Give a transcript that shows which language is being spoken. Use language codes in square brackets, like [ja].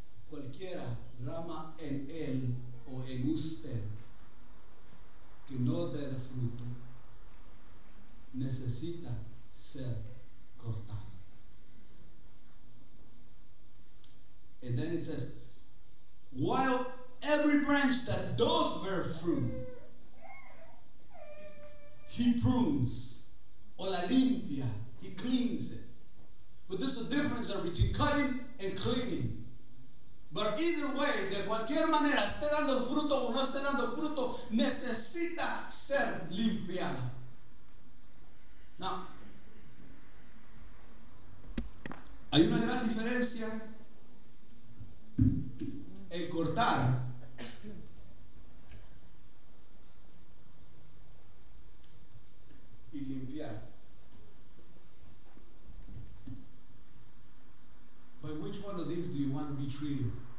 [es] Cualquiera rama en él o en usted que no dé fruto necesita ser cortado. [en] And then it says, while every branch that does bear fruit, He prunes, [es] o la limpia, [en] He cleans it. But there's a difference between cutting and cleaning. But either way, [es] de cualquier manera, esté dando fruto o no esté dando fruto, necesita ser limpiada. Hay una gran diferencia en cortar y limpiar. [en] By which one of these do you want to be treated?